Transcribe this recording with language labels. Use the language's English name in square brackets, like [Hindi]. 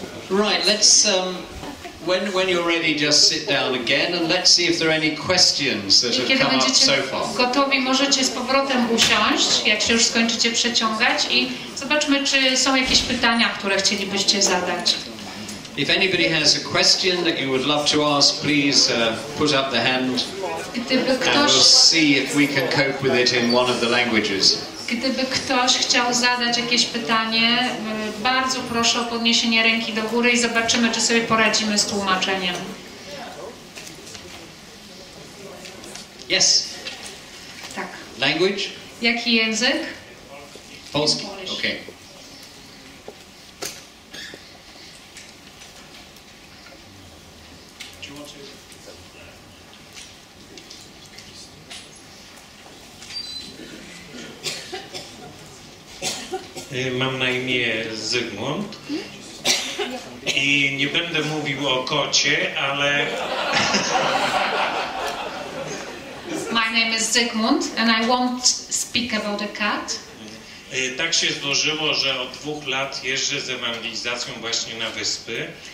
[English] Right, let's when you're ready just sit down again and let's see if there are any questions that have come up so far. [Polish] Gotowi, możecie z powrotem usiąść, jak się już skończycie przeciągać i zobaczmy, czy są jakieś pytania, które chcielibyście zadać. [English] If anybody has a question that you would love to ask, please put up the hand. [Polish] Gdyby ktoś... [English] And we'll see if we can cope with it in one of the languages. [Polish] Gdyby ktoś chciał zadać jakieś pytanie, bardzo proszę o podniesienie ręki do góry i zobaczymy, czy sobie poradzimy z tłumaczeniem. [English] Yes. [Polish] Tak. [English] Language? [Polish] Jaki język? [English] Polski. Okay. [Polish] Mam na imię Zygmunt i nie będę mówił o kocie, ale... [English] My name is Zygmunt and I won't speak about a cat. [Polish] Tak się złożyło, że od 2 lat jeżdżę z ewangelizacją właśnie na wyspy.